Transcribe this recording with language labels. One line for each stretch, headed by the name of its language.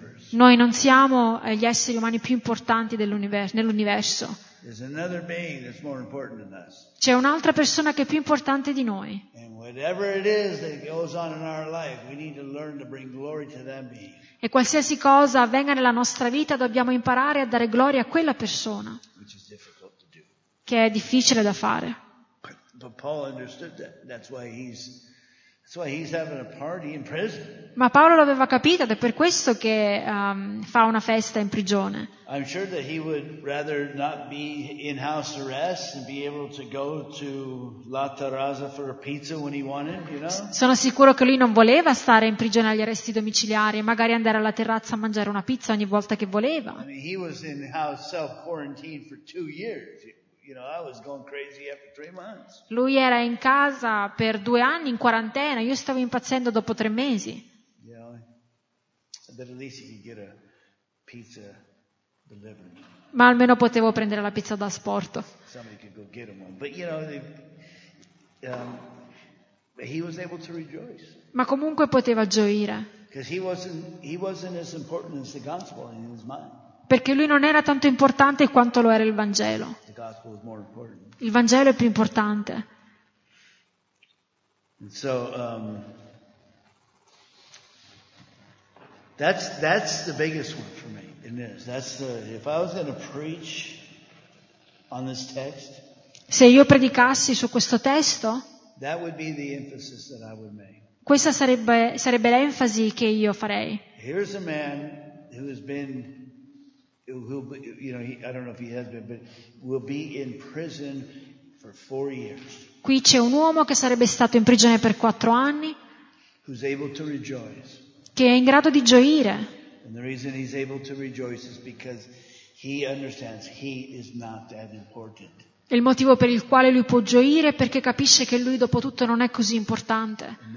Italian: Noi non siamo gli esseri umani più importanti nell'universo.
English: There's another being that's more important than us.
Italian: C'è un'altra persona che è più importante di noi.
English: And whatever it is that goes on in our life, we need to learn to bring glory to that being.
Italian: E qualsiasi cosa avvenga nella nostra vita, dobbiamo imparare a dare gloria a quella persona.
English: Which is difficult to do.
Italian: Che è difficile da fare.
English: But Paul understood that. That's why he's having a party in prison.
Italian: Ma Paolo l'aveva capito ed è per questo che fa una festa in prigione.
English: I'm sure that he would rather not be in house arrest and be able to go to La Terrazza for a pizza when he wanted, you know?
Italian: Sono sicuro che lui non voleva stare in prigione agli arresti domiciliari e magari andare alla terrazza a mangiare una pizza ogni volta che voleva.
English: I mean, he was in house self-quarantine for 2 years. You know, I was going crazy after 3 months.
Italian: Lui era in casa per 2 anni in quarantena, io stavo impazzendo dopo 3 mesi.
English: Yeah, but at least you could get a pizza delivered.
Italian: Ma almeno potevo prendere la pizza da asporto.
English: Somebody could go get him one. But you know, he was able to rejoice.
Italian: Ma comunque poteva gioire.
English: Because he wasn't as important as the gospel in his mind.
Italian: Perché lui non era tanto importante quanto lo era il Vangelo.
English: The gospel was more important.
Italian: Il Vangelo è più importante.
English: And so that's the biggest one for me. It is. If I was going to preach on this text.
Italian: Se io predicassi su questo testo,
English: that would be the emphasis that I would make.
Italian: Questa sarebbe l'enfasi che io farei.
English: Here's a man who has been, who, you know, I don't know if he has been, but will be in prison for 4 years.
Italian: Qui c'è un uomo che sarebbe stato in prigione per 4 anni,
English: who's able to rejoice.
Italian: Che è in grado di gioire.
English: And the reason he's able to rejoice is because he understands he is not that important.
Italian: Il motivo per il quale lui può gioire è perché capisce che lui, dopo tutto, non è così importante.